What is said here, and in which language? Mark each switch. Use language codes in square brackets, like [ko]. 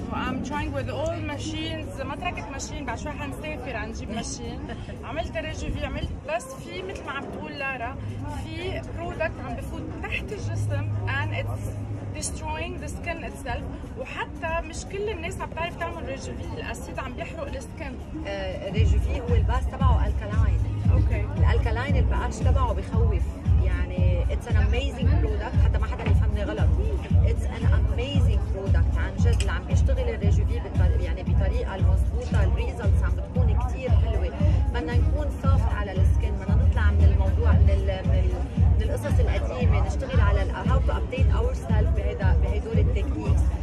[en] I'm trying with all machines. [ar] ما تركت ماشين، بعد شوي حنسافر عنجيب ماشين. عملت ريجوفي، عملت بس في مثل ما عم تقول لارا، في برودكت عم بفوت تحت الجسم [en] and it's destroying the skin itself. [ar] وحتى مش كل الناس عم بتعرف تعمل ريجوفي، الاسيد عم بيحرق السكن. ريجوفي هو الباس تبعه الكالاين. اوكي. الالكالاين الباس تبعه بخوف. يعني [en] it's an amazing product. [ar] حتى ما حدا يفهمني غلط، [en] it's an amazing product. [ar] عن جد اللي عم بيشتغل الريجوفي يعني بطريقة المضبوطة، الريزلتس عم بتكون كتير حلوة. بدنا نكون [en] soft [ar] على السكن، بدنا نطلع من الموضوع من القصص القديمة، نشتغل على [en] how to update ourselves [ar] بهدول التكنيكس.